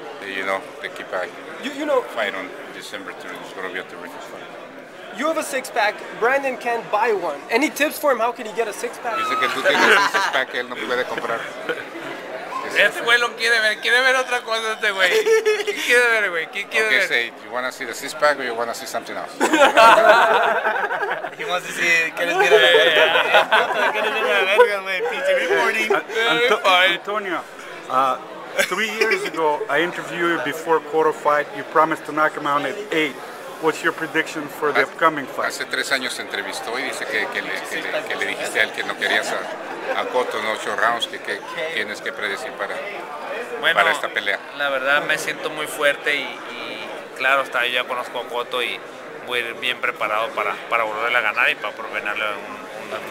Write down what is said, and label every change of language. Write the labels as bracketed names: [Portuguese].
[English] You know, to keep a you know, fight on December 3rd. It's going to be a terrific fight. You have a six-pack. Brandon can't buy one. Any tips for him? How can he get a six-pack? [Spanish] Dice que tú tienes un six-pack que él no puede comprar. Este güey lo quiere ver otra cosa este güey. ¿Qué quiere ver, güey? ¿Qué quiere ver? [English] Okay, say, you wanna see the six pack or you wanna see something else? He wants to see, [Spanish] ¿quieres ver la verga? ¿Quieres ver la verga, güey? Pinche, [English] good morning. Antonio, 3 years ago, I interviewed you before quarter fight. You promised to knock him out at 8. What's your prediction for the upcoming fight? [Spanish] Hace 3 años se entrevistó y dice que le dijiste a él que no querías a Cotto en 8 rounds, que tienes que predecir para esta pelea. La verdad me siento muy fuerte y claro, hasta yo ya conozco a Cotto y voy a ir bien preparado para volverle a ganar y para proponerle un